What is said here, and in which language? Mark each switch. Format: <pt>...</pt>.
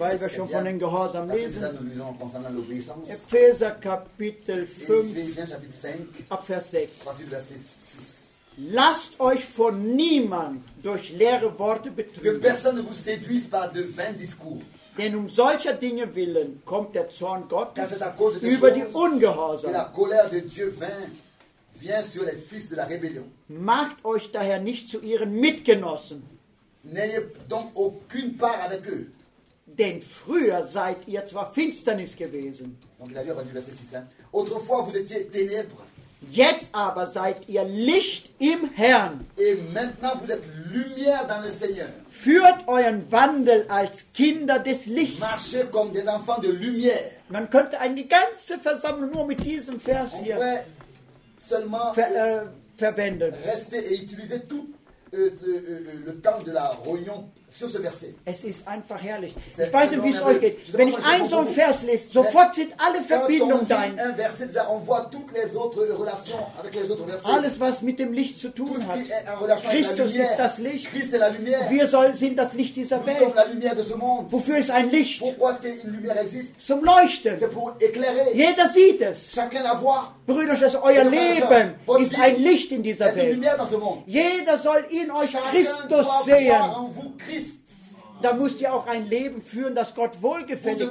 <de>weil wir schon von den Gehorsam lesen.</de> <fr>Nous</fr> <de>Epheser Kapitel 5,</de> <fr>Ephésiens, chapitre 5,</fr> <de>ab Vers 6. Vers 6. Lasst euch von niemand durch leere Worte betrügen.</de> <fr>Que personne ne vous séduise par de vains discours.</fr> <de>Denn um solcher Dinge willen kommt der Zorn Gottes</de> <fr>Car c'est</fr> <de>über die Ungehorsam.</de> <fr>La colère de Dieu vient sur les fils de la rébellion.</fr> <de>Macht euch daher nicht zu ihren Mitgenossen.</de> <fr>N'ayez donc aucune part avec eux.</fr> <de>Denn früher seid ihr zwar Finsternis gewesen.</de> <fr>Donc, il a dit, verset 6, hein? Autrefois vous étiez ténèbres.</fr> <de>Jetzt aber seid ihr Licht im Herrn.</de> <fr>Et maintenant vous êtes lumière dans le Seigneur.</fr> <de>Führt euren Wandel als Kinder des Lichts.</de> <fr>Marchez comme des enfants de lumière.</fr> <de>Man könnte eine ganze Versammlung nur mit diesem Vers</de> <fr>On</fr> <de>hier</de> <fr>seulement</fr> <de>verwenden.</de> <fr>Restez et utilisez tout le temps de la réunion sur ce verset.</fr> <de>Es ist einfach herrlich. Ich weiß nicht, wie es euch geht. Wenn ich ein so ein Vers lese, sofort sind alle Verbindungen dein.</de> <fr>Un verset, on voit toutes les autres relations avec les autres versets.</fr> <de>Alles, was mit dem Licht zu tun hat. Christus ist das Licht.</de> <fr>Christ est la lumière.</fr> <de>Wir sollen sind das Licht dieser Welt.</de> <fr>Nous sommes la lumière de ce monde.</fr> <de>Wofür ist ein Licht?</de> <fr>Pourquoi est-ce qu'une lumière existe?</fr> <de>Zum Leuchten.</de> <fr>C'est pour éclairer.</fr> <de>Jeder sieht es.</de> <fr>Chacun la voit.</fr> <de>Brüder, euer Brüder, Leben ist ein Licht in dieser Welt. Jeder soll in euch</de> <fr>Chacun</fr> <de>Christus sehen.</de> <fr>Christ.</fr> <de>Da müsst ihr auch ein Leben führen, das Gott wohlgefällig</de>